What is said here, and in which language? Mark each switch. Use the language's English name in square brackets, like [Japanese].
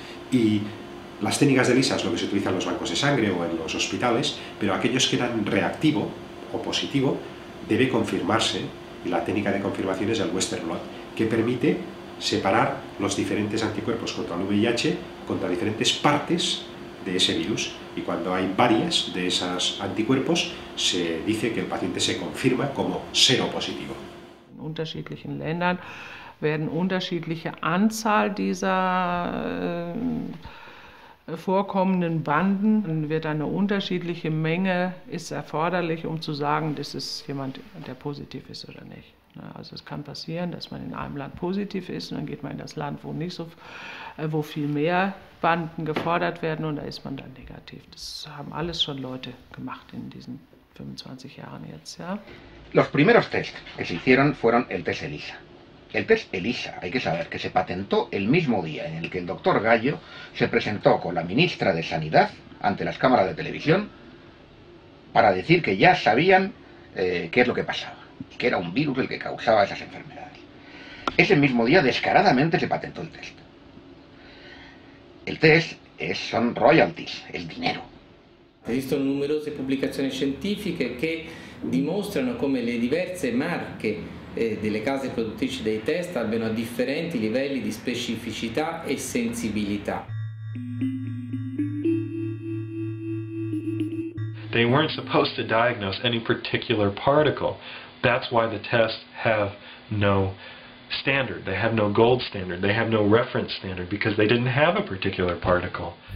[Spanish] Y las técnicas de ELISA es lo que se utiliza en los bancos de sangre o en los hospitales, pero aquellos que dan reactivo o positivo debe confirmarse, y la técnica de confirmación es el Western blot, que permite separar los diferentes anticuerpos contra el VIH contra diferentes partes de ese virus, y cuando hay varias de esos anticuerpos, se dice que el paciente se confirma como seropositivo. [German] En unterschiedlichen Ländern werden unterschiedliche Anzahl dieser vorkommenden Banden, dann wird eine unterschiedliche Menge ist erforderlich, um zu sagen, das ist jemand, der positiv ist oder nicht. Also es kann passieren, dass man in einem Land positiv ist und dann geht man in das Land, wo viel mehr Banden gefordert werden und da ist man dann negativ. Das haben alles schon Leute gemacht in diesen 25 Jahren jetzt. Ja. [Spanish] Los primeros Tests, que se hicieron, fueron el test ELISA. El test ELISA, hay que saber, que se patentó el mismo día en el que el doctor Gallo se presentó con la ministra de Sanidad ante las cámaras de televisión para decir que ya sabían qué es lo que pasaba, que era un virus el que causaba esas enfermedades. Ese mismo día, descaradamente, se patentó el test. El test son royalties, el dinero. [Italian] Esistono numerose pubblicazioni scientifiche che dimostrano come le diverse marche delle case produttrici dei test abbiano differenti livelli di specificità e sensibilità. [English] They weren't supposed to diagnose any particular particle. That's why the tests have no standard. They have no gold standard. They have no reference standard because they didn't have a particular particle.